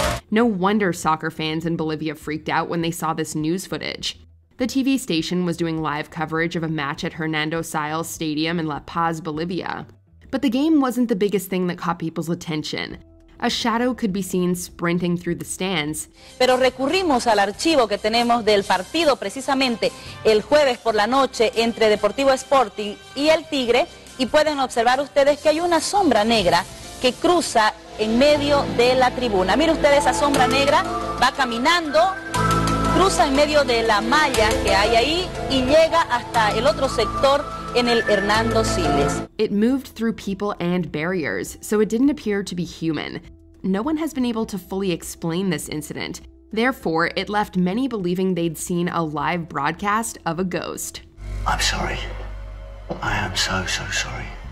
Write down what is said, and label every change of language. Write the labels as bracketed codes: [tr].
[en] No wonder soccer fans in Bolivia freaked out when they saw this news footage. The TV station was doing live coverage of a match at Hernando Siles Stadium in La Paz, Bolivia. But the game wasn't the biggest thing that caught people's attention. A shadow could be seen sprinting through the stands. [es] Pero recurrimos al archivo que tenemos del partido precisamente el jueves por la noche entre Deportivo Sporting y el Tigre y pueden observar ustedes que hay una sombra negra que cruza en medio de la tribuna. Mire usted esa sombra negra, va caminando, cruza en medio de la malla que hay ahí y llega hasta el otro sector en el Hernando Siles. [en] It moved through people and barriers, so it didn't appear to be human. No one has been able to fully explain this incident. Therefore, it left many believing they'd seen a live broadcast of a ghost. I'm sorry. I am so, so sorry.